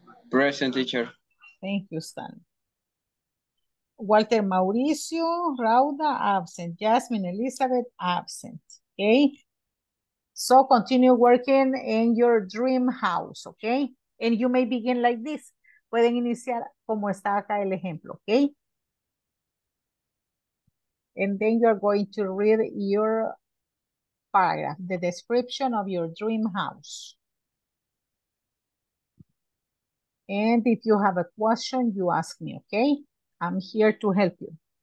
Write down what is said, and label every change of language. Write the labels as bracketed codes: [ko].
[en] Present, teacher. Thank you, Stan. Walter Mauricio Rauda, absent. Jasmine Elizabeth, absent. Okay. So continue working in your dream house, okay? And you may begin like this. [es] Pueden iniciar como está acá el ejemplo, okay? [en] And then you're going to read your paragraph, the description of your dream house. And if you have a question, you ask me, okay? I'm here to help you.